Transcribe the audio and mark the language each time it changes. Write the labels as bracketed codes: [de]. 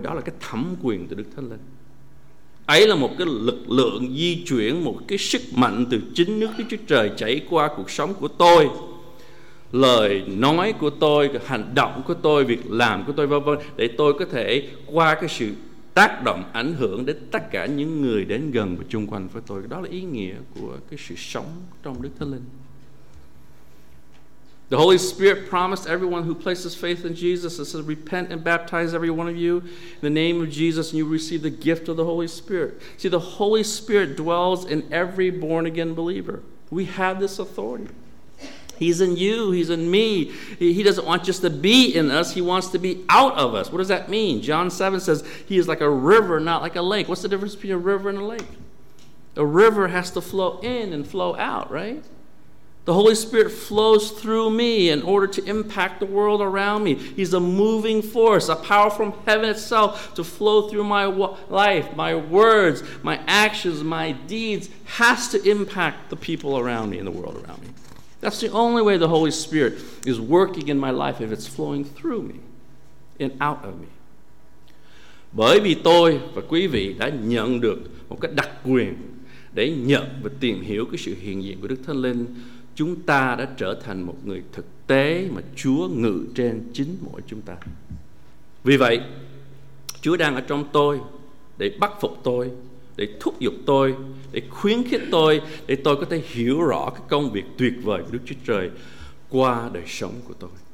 [vi] Đó là cái thẩm quyền từ Đức Thánh Linh. Ấy là một cái lực lượng di chuyển, một cái sức mạnh từ chính nước Đức Chúa Trời chảy qua cuộc sống của tôi, lời nói của tôi, hành động của tôi, việc làm của tôi, v.v. để tôi có thể qua cái sự tác động, ảnh hưởng đến tất cả những người đến gần và chung quanh với tôi. Đó là ý nghĩa của cái sự sống trong Đức Thánh Linh. [en] The Holy Spirit promised everyone who places faith in Jesus and says, repent and baptize every one of you in the name of Jesus and you receive the gift of the Holy Spirit. See, the Holy Spirit dwells in every born-again believer. We have this authority. He's in you. He's in me. He doesn't want just to be in us. He wants to be out of us. What does that mean? John 7 says, he is like a river, not like a lake. What's the difference between a river and a lake? A river has to flow in and flow out, right? The Holy Spirit flows through me in order to impact the world around me. He's a moving force, a power from heaven itself to flow through my life, my words, my actions, my deeds has to impact the people around me and the world around me. That's the only way the Holy Spirit is working in my life, if it's flowing through me and out of me. [vi] Bởi vì tôi và quý vị đã nhận được một cái đặc quyền để nhận và tìm hiểu cái sự hiện diện của Đức Thánh Linh, chúng ta đã trở thành một người thực tế mà Chúa ngự trên chính mỗi chúng ta. Vì vậy, Chúa đang ở trong tôi để bắt phục tôi, để thúc giục tôi, để khuyến khích tôi, để tôi có thể hiểu rõ cái công việc tuyệt vời của Đức Chúa Trời qua đời sống của tôi.